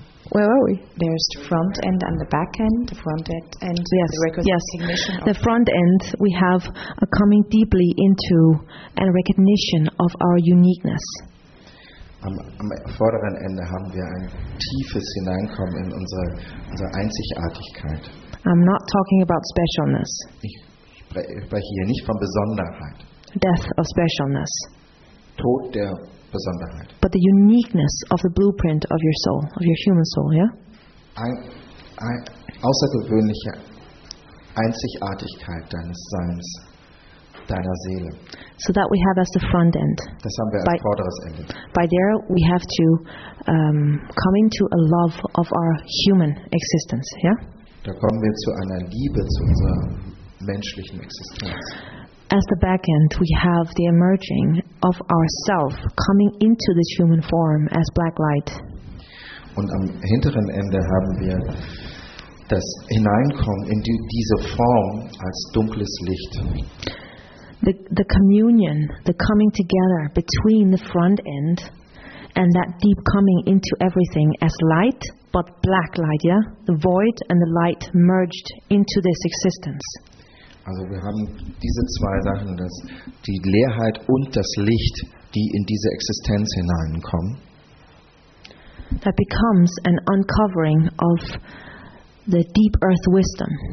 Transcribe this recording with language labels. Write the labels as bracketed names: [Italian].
[English] Where are we? There's the front end and the back end. The front end and yes, the recognition. Yes. The front end, we have a coming deeply into and recognition of our uniqueness. [German] Am vorderen Ende haben wir ein tiefes Hineinkommen in unsere Einzigartigkeit. [English] I'm not talking about specialness. [German] Ich spreche hier nicht von Besonderheit. [English] Death of specialness. [German] Tod der Besonderheit. [English] But the uniqueness of the blueprint of your soul, of your human soul, yeah? [German] Ein außergewöhnliche Einzigartigkeit deines Seins, deiner Seele. [English] So that we have as the front end. [German] Das haben wir als vorderes Ende. [English] By there we have to come into a love of our human existence, yeah? [German] Da kommen wir zu einer Liebe zu unserer menschlichen Existenz. [English] As the back end, we have the emerging of ourself coming into this human form as black light. [German] Und am hinteren Ende haben wir das Hineinkommen in diese Form als dunkles Licht. [English] The communion, the coming together between the front end and that deep coming into everything as light, but black light, yeah? The void and the light merged into this existence. [German] Also wir haben diese zwei Sachen, dass die Leerheit und das Licht, die in diese Existenz hineinkommen. [English] That becomes an uncovering of the deep earth wisdom.